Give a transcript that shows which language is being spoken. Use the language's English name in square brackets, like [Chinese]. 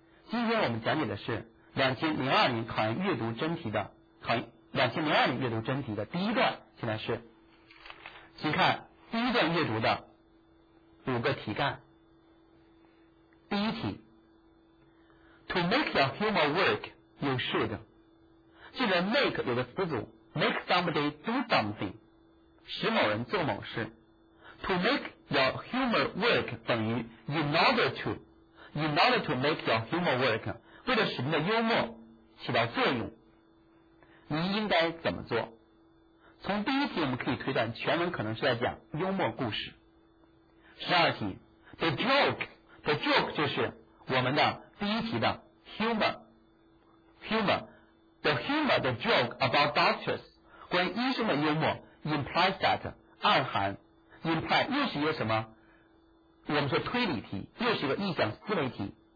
[Chinese] 今天我们讲解的是2002年考研阅读真题的考研2002年阅读真题的第一段，现在是请看第一段阅读的五个题干。 [English] 第一题 To make your humor work, you should。 [Chinese] 记得 make 有个词组 [English] make somebody do something, [Chinese] 使某人做某事。 [English] To make your humor work [Chinese] 等于 [English] in order to make your humor work, [Chinese] 为了使你的幽默起到作用，你应该怎么做。从第一题我们可以推断，全文可能是在讲幽默故事。十二题 [English] The joke [Chinese] 就是我们的第一题的 humor. [English] The humor, the joke about doctors, [Chinese] 关于医生的幽默 [English] implies that, [Chinese] 暗含 imply 又是一个什么，我们说推理题，又是一个臆想思维题。